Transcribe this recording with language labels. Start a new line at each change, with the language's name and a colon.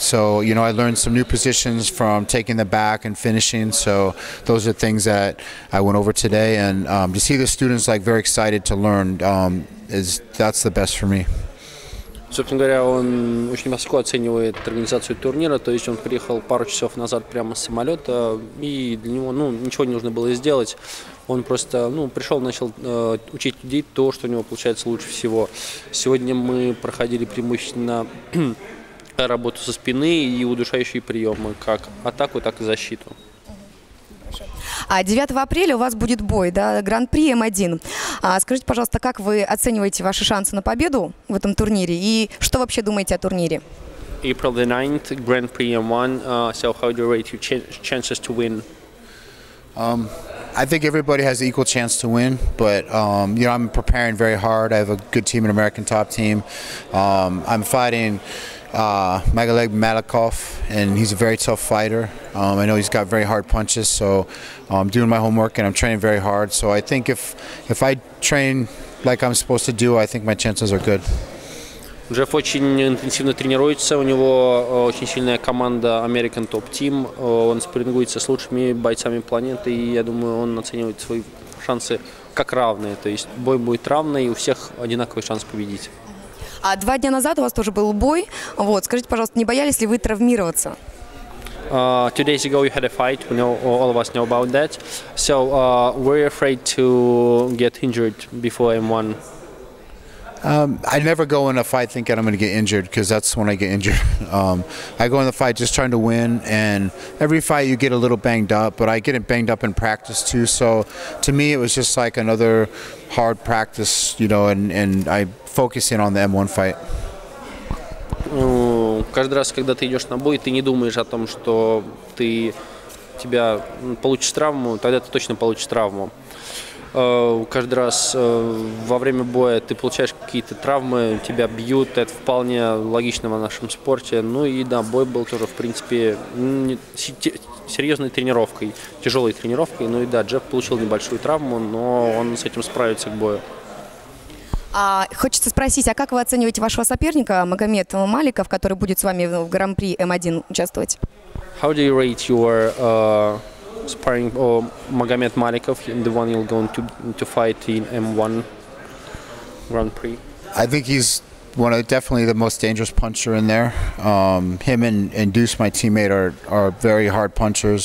English: So, you know, I learned some new positions from taking the back and finishing. So those are things that I went over today. And to see the students, like, very excited to learn, that's the best for me.
Russian: Собственно говоря, он очень высоко оценивает организацию турнира, то есть он приехал пару часов назад прямо с самолета, и для него ничего не нужно было сделать. Он просто пришел, начал учить людей то, что у него получается лучше всего. Сегодня мы проходили преимущественно работу со спины и удушающие приемы, как атаку, так и защиту. А 9 апреля у вас будет бой, да, Гран-при М1. А скажите, пожалуйста, как вы оцениваете ваши шансы на победу в этом турнире и что вообще думаете о турнире?
English: April the 9th, Grand Prix M1. So how do you rate your chances to win? I think everybody has an equal chance to win, but I'm preparing very hard. I have a good team, an American top team. I'm fighting Magaleg Malakoff, and he's a very tough fighter. I know he's got very hard punches, so I'm doing my homework and I'm training very hard. So I think if I train like I'm supposed to do, I think my chances are good.
Russian: Джефф очень интенсивно тренируется, у него очень сильная команда American Top Team, он спаррингуется с лучшими бойцами планеты, и я думаю, он оценивает свои шансы как равные, то есть бой будет равный, и у всех одинаковый шанс победить. А 2 дня назад у вас тоже был бой, вот, скажите, пожалуйста, не боялись ли вы травмироваться?
English: 2 days ago you had a fight, we know, all of us know about that, so were you afraid to get injured before M1? I never go in a fight thinking I'm going to get injured because that's when I get injured. I go in the fight just trying to win, and every fight you get a little banged up, but I get it banged up in practice too. So to me, it was just like another hard practice, and I focus in on the M1 fight.
Russian: Каждый раз, когда ты идешь на бой, ты не думаешь о том, что ты тебя получишь травму, тогда ты точно получишь травму. Каждый раз во время боя ты получаешь какие-то травмы, тебя бьют, это вполне логично в нашем спорте. Ну и да, бой был тоже, в принципе, серьезной тренировкой, тяжелой тренировкой. Ну и да, Джефф получил небольшую травму, но он с этим справится к бою. А хочется спросить, а как вы оцениваете вашего соперника Магомед Маликов, который будет с вами в Гран-при М1 участвовать?
English: How do you rate your sparring Magomed Malikov, the one you're going to fight in M1 Grand Prix? I think he's definitely the most dangerous puncher in there. Him and Deuce, my teammate, are very hard punchers.